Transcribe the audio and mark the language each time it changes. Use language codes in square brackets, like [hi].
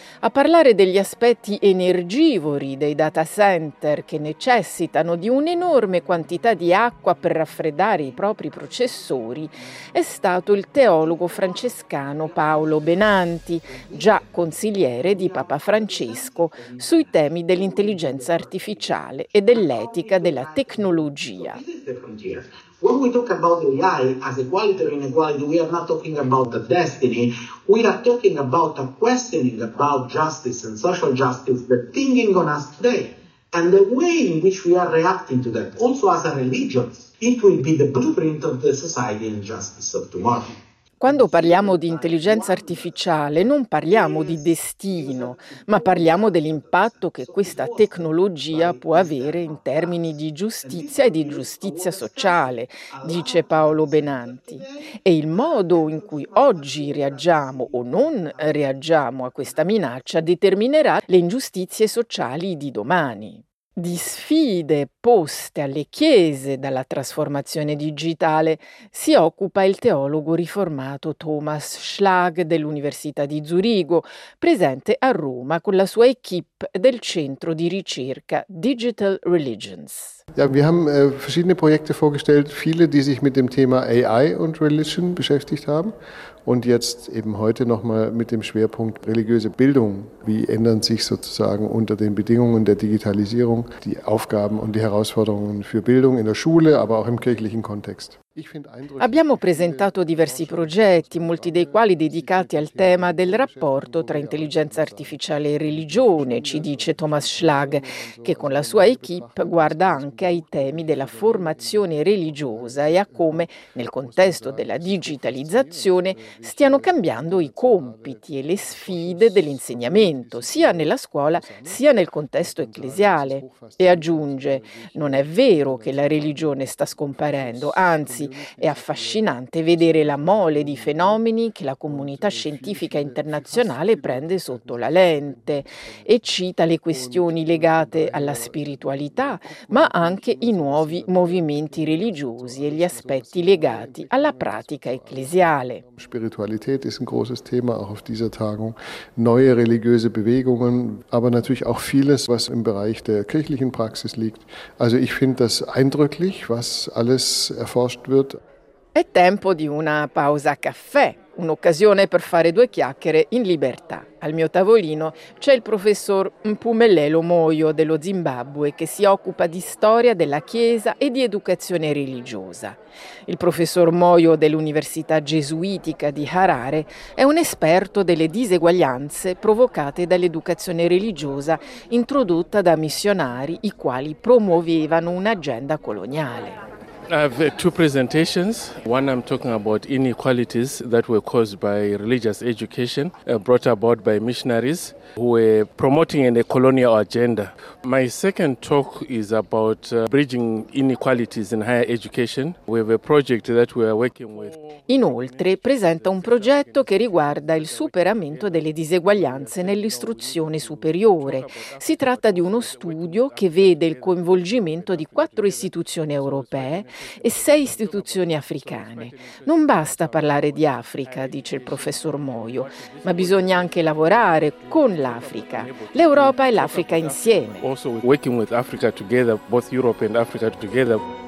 [it] A parlare degli aspetti energivori dei data center che necessitano di un'enorme quantità di acqua per raffreddare i propri processori è stato il teologo francescano Paolo Benanti, già consigliere di Papa Francesco sui temi dell'intelligenza artificiale e dell'etica della tecnologia. [en] When we talk about AI as equality or inequality, we are not talking about the destiny. We are talking about a questioning about justice and social justice, the thinking on us today. And the way in which we are reacting to that, also as a religion, it will be the blueprint of the society and justice of tomorrow. [it] Quando parliamo di intelligenza artificiale non parliamo di destino, ma parliamo dell'impatto che questa tecnologia può avere in termini di giustizia e di giustizia sociale, dice Paolo Benanti. E il modo in cui oggi reagiamo o non reagiamo a questa minaccia determinerà le ingiustizie sociali di domani. di sfide poste alle chiese dalla trasformazione digitale si occupa il teologo riformato Thomas Schlag dell'Università di Zurigo, presente a Roma con la sua equipe del centro di ricerca Digital Religions. [de] Ja, wir haben verschiedene Projekte vorgestellt, viele, die sich mit dem Thema AI und Religion beschäftigt haben und jetzt eben heute nochmal mit dem Schwerpunkt religiöse Bildung. Wie ändern sich sozusagen unter den Bedingungen der Digitalisierung die Aufgaben und die Herausforderungen für Bildung in der Schule, aber auch im kirchlichen Kontext? [it] Abbiamo presentato diversi progetti, molti dei quali dedicati al tema del rapporto tra intelligenza artificiale e religione, ci dice Thomas Schlag, che con la sua equipe guarda anche ai temi della formazione religiosa e a come, nel contesto della digitalizzazione, stiano cambiando i compiti e le sfide dell'insegnamento, sia nella scuola sia nel contesto ecclesiale. E aggiunge, non è vero che la religione sta scomparendo, anzi, è affascinante vedere la mole di fenomeni che la comunità scientifica internazionale prende sotto la lente e cita le questioni legate alla spiritualità, ma anche i nuovi movimenti religiosi e gli aspetti legati alla pratica ecclesiale. Spiritualità è un grosso tema anche [de] auf dieser Tagung. Neue religiöse Bewegungen, aber natürlich auch vieles, was im Bereich der kirchlichen Praxis liegt. Also ich finde das eindrücklich, was alles erforscht. [it] È tempo di una pausa a caffè, un'occasione per fare due chiacchiere in libertà. Al mio tavolino c'è il professor Mpumelelo Moyo dello Zimbabwe che si occupa di storia della Chiesa e di educazione religiosa. Il professor Moyo dell'Università Gesuitica di Harare è un esperto delle diseguaglianze provocate dall'educazione religiosa introdotta da missionari i quali promuovevano un'agenda coloniale. [en] I have two presentations. One I'm talking about inequalities that were caused by religious education brought about by missionaries who were promoting a colonial agenda. My second talk is about bridging inequalities in higher education. We have a project that we are working with. [it] Inoltre presenta un progetto che riguarda il superamento delle diseguaglianze nell'istruzione superiore. Si tratta di uno studio che vede il coinvolgimento di 4 istituzioni europee e 6 istituzioni africane. Non basta parlare di Africa, dice il professor Moyo, ma bisogna anche lavorare con l'Africa, l'Europa e l'Africa insieme. [en] Also working with Africa together, both Europe and Africa together.